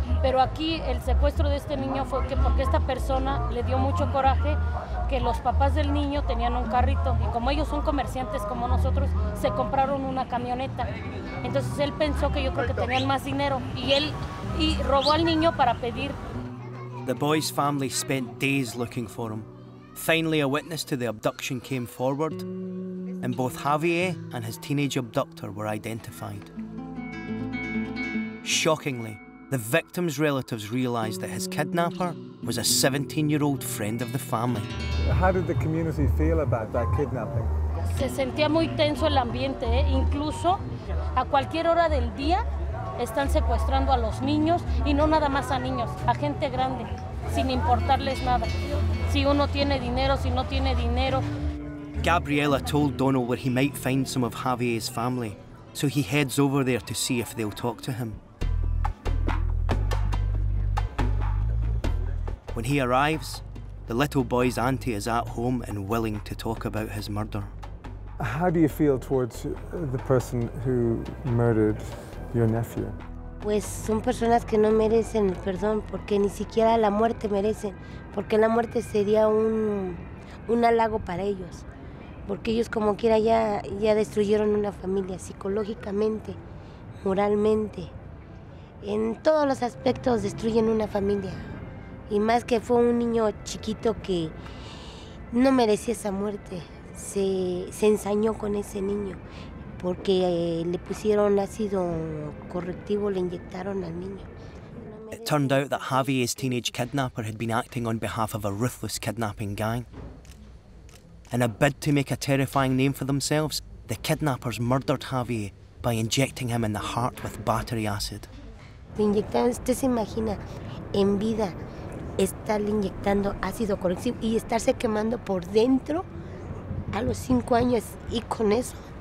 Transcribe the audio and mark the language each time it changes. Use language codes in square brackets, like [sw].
[es] Pero aquí el secuestro de este niño fue que porque esta persona le dio mucho coraje que los papás del niño tenían un carrito y como ellos son comerciantes como nosotros, se compraron una camioneta. Entonces él pensó que yo creo que tenían más dinero y él y robó al niño para pedir. [en] The boy's family spent days looking for him. Finally, a witness to the abduction came forward, and both Javier and his teenage abductor were identified. Shockingly, the victim's relatives realized that his kidnapper was a 17-year-old friend of the family. How did the community feel about that kidnapping? [es] Se sentía muy tenso el ambiente, eh? Incluso a cualquier hora del día. Están secuestrando a los niños, y no nada más a niños, a gente grande, sin importarles nada. Si uno tiene dinero, si no tiene dinero. [en] Gabriela told Donald where he might find some of Javier's family, so he heads over there to see if they'll talk to him. When he arrives, the little boy's auntie is at home and willing to talk about his murder. How do you feel towards the person who murdered your nephew? [es] Pues son personas que no merecen el perdón porque ni siquiera la muerte merecen, porque la muerte sería un halago para ellos, porque ellos como quiera ya destruyeron una familia psicológicamente, moralmente, en todos los aspectos destruyen una familia, y más que fue un niño chiquito que no merecía esa muerte, se ensañó con ese niño. Porque le pusieron ácido correctivo, le inyectaron al niño. [en] It turned out that Javier's teenage kidnapper had been acting on behalf of a ruthless kidnapping gang. In a bid to make a terrifying name for themselves, the kidnappers murdered Javier by injecting him in the heart with battery acid. [es] Le inyectaron, usted se imagina, en vida, estarle inyectando ácido correctivo y estarse quemando por dentro a los 5 años y con eso.